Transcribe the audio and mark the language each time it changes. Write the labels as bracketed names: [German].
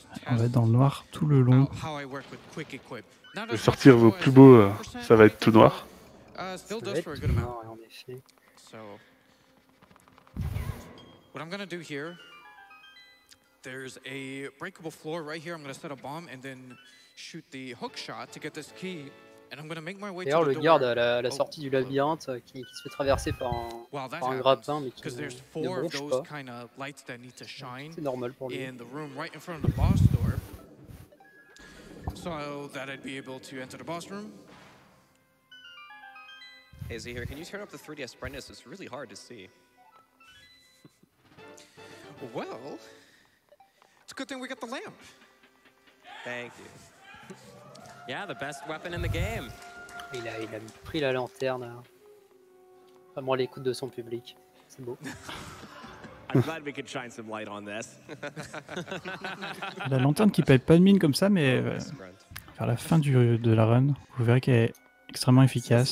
[French] On va être dans le noir tout le long. Je vais sortir vos plus beaux, ça va être tout noir. [English] Still does for a good amount. So what I'm gonna do here, there's a breakable floor right here. I'm gonna set a bomb and then shoot the hook shot to get this key and I'm going to make my way to the [French] door. Le garde à la sortie du labyrinthe qui se fait traverser par un grappin mais qui ne bronche pas. [English] Kind of lights that need to shine. [French] C'est normal pour lui. [English] In the room right in front of the boss door. So that I'd be able to enter the boss room. Hey, Zee here, can you turn up the 3DS brightness? It's really hard to see. Well, it's a good thing we got the lamp. Thank you. Yeah, the best weapon in the game. [French] Il a pris la lanterne. Pas moins l'écoute de son public. C'est beau. [English] I'm glad we could shine some light on this. [French] La lanterne qui paye pas de mine comme ça, mais vers la fin de la run, vous verrez qu'elle est extrêmement efficace.